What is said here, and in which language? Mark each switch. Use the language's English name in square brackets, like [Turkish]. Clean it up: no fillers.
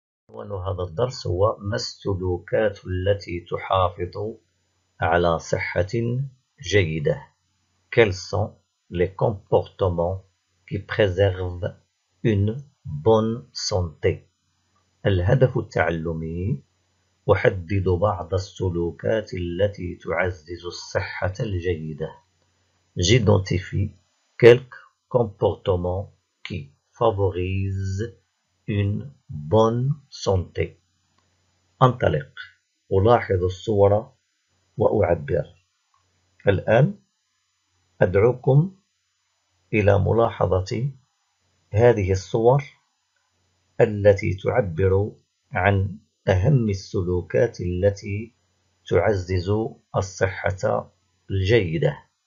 [Arabic] عنوان هذا الدرس هو: ما السلوكات التي تحافظ على صحة جيدة؟ [French] Quels sont les comportements qui préservent une bonne santé؟ [Arabic] الهدف التعلمي وحدد بعض السلوكات التي تعزز الصحة الجيدة. [French] J'identifie quelques comportements qui favorisent une bonne santé. [Arabic] انطلق، ألاحظ الصورة وأعبر. الآن أدعوكم إلى ملاحظة هذه الصور التي تعبر عن أهم السلوكات التي تعزز الصحة الجيدة.